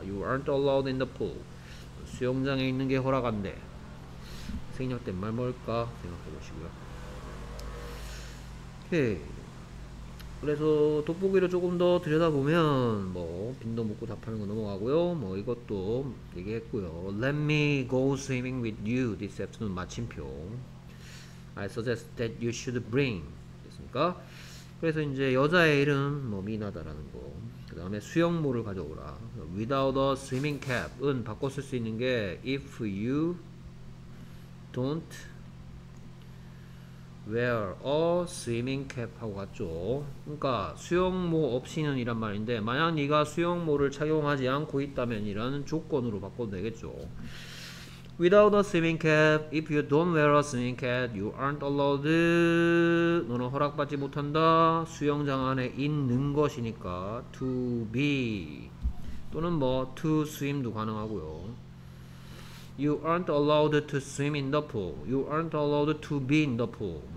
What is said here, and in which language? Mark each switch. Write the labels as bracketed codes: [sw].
[en] You aren't allowed in the pool. [ko] 수영장에 있는 게 허락한대. 생략된 말 뭘까 생각해 보시고요. 오케이. 그래서 돋보기를 조금 더 들여다보면 뭐 빈도 묻고 답하는 거 넘어가고요. 뭐 이것도 얘기했고요. [en] Let me go swimming with you this afternoon. 마침표. I suggest that you should bring. [ko] 됐습니까? 그래서 이제 여자의 이름 뭐 미나다라는 거. 그다음에 수영모를 가져오라. Without a swimming cap은 바꿔 쓸수 있는 게 [en] if you don't wear a swimming cap [ko] 하고 갔죠. 그러니까 수영모 없이는 이란 말인데 만약 네가 수영모를 착용하지 않고 있다면 이라는 조건으로 바꿔도 되겠죠. [en] Without a swimming cap, if you don't wear a swimming cap, you aren't allowed. [ko] 너는 허락받지 못한다. 수영장 안에 있는 것이니까 to be 또는 뭐 to swim도 가능하고요. [en] You aren't allowed to swim in the pool. You aren't allowed to be in the pool.